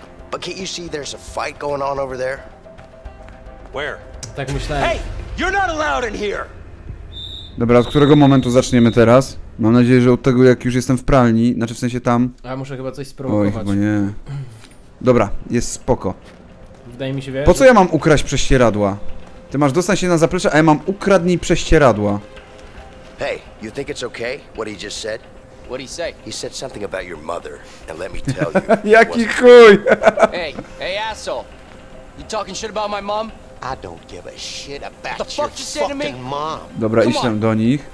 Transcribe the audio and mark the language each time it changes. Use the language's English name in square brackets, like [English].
[English] But can't you see there's a fight going on over there? Where? [Polish] tak myślałem. [English] Hey, you're not allowed in here. [Polish] Dobra, od którego momentu zaczniemy teraz? Mam nadzieję, że od tego, jak już jestem w pralni, znaczy w sensie tam... A muszę chyba coś sprowokować. Oj, chyba nie. Dobra, jest spoko. Wydaje mi się, wiesz... Po co ja mam ukraść prześcieradła? Ty masz dostać się na zaplecze, a ja mam ukradnij prześcieradła. [English] Hey, you think it's okay, what he just said? What he say? He said something about your mother, and let me tell you... [Polish] Jaki chuj! [English] Hey, hey asshole! You talking shit about my mom? I don't give a shit about the fuck your fucking me? Mom. [Polish] Dobra, iść tam do nich.